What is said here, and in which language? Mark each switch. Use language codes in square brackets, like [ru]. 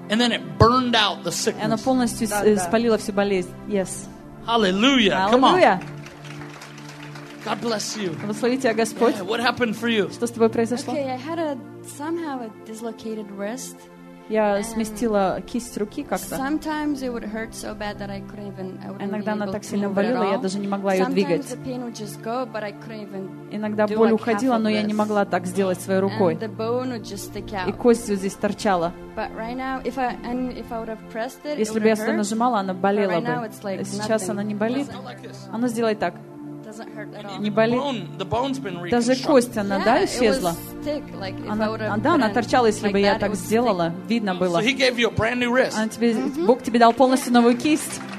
[en] And then it burned out the sickness. [ru] Она полностью спалила всю болезнь. [en] Yes. Hallelujah. Hallelujah. God bless you. [ru] Благослови тебя, Господь. [en] What happened for you? [ru] Что с тобой произошло? [en] Okay, I had a somehow a dislocated wrist. [ru] Я сместила кисть руки как-то. [en] Sometimes it would hurt so bad that I couldn't even. [ru] Иногда она так сильно болела, я даже не могла ее двигать. [en] Sometimes the pain would just go, but I couldn't even. [ru] Иногда боль уходила, но я не могла так сделать своей рукой. [en] And the bone would just stick out. [ru] И кость вот здесь торчала. [en] But right now, if I would have pressed it, [ru] если бы я сюда нажимала, она болела бы. [en] But right now, it's like nothing. [ru] Сейчас она не болит. Она сделай так. Не болит. Даже кость, она, [en] yeah, [ru] да, исчезла. [en] Like, [ru] она она торчала, если [en] like [ru] бы [en] that, [ru] я так сделала. [en] Thick. [ru] Видно было. [en] So [ru] тебе, mm-hmm. Бог тебе дал полностью новую кисть.